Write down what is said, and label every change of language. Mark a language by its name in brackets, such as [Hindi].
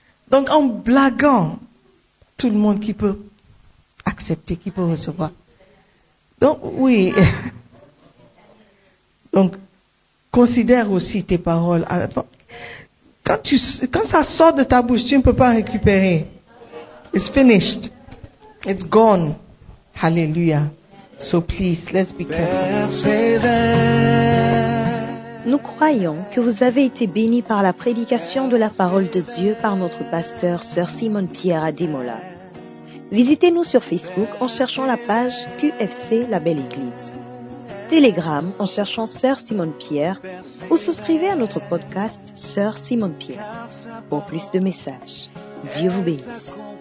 [French] Donc, en blaguant, tout le monde qui peut accepter, qui peut recevoir. Donc, oui. Donc, considère aussi tes paroles. Quand ça sort de ta bouche, tu ne peux pas récupérer. [English] It's finished. It's gone. Hallelujah. So please, let's be careful. [French] Nous croyons que vous avez été bénis par la prédication de la parole de Dieu par notre pasteur, Sœur Simone Pierre Ademola. Visitez-nous sur Facebook en cherchant la page QFC La Belle Église. Telegram en cherchant Sœur Simone Pierre ou souscrivez à notre podcast Sœur Simone Pierre. Pour plus de messages, Dieu vous bénisse.